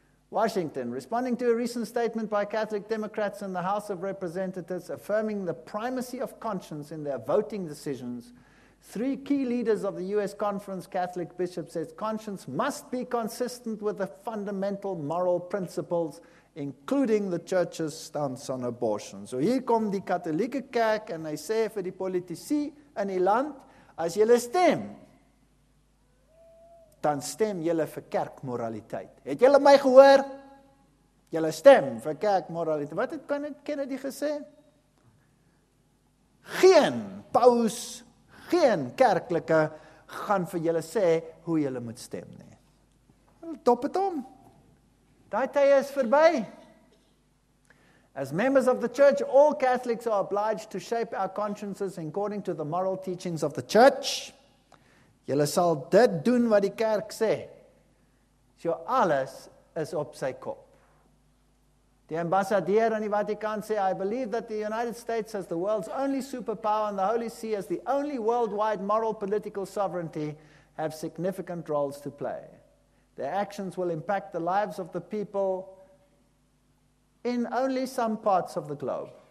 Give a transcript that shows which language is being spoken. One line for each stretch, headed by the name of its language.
English: Washington, responding to a recent statement by Catholic Democrats in the House of Representatives affirming the primacy of conscience in their voting decisions, three key leaders of the U.S. Conference Catholic Bishops said conscience must be consistent with the fundamental moral principles, including the Church's stance on abortion.
Afrikaans: So hier kom die katholieke kerk en hy sê vir die politici in die land, as julle stem, dan stem jylle vir kerkmoraliteit. Het jylle my gehoor? Jylle stem vir kerkmoraliteit. Wat het Kennedy gesê? Geen paus, geen kerklike, gaan vir jylle sê hoe jylle moet stem. Nee. Top het om. Die tyd is verby.
English: As members of the church, all Catholics are obliged to shape our consciences according to the moral teachings of the church.
Afrikaans: Julle sal dit doen wat die kerk sê. So alles is op sy kop. Die ambassadeur in die Vatikaan sê,
English: I believe that the United States as the world's only superpower and the Holy See as the only worldwide moral political sovereignty have significant roles to play. Their actions will impact the lives of the people in only some parts of the globe.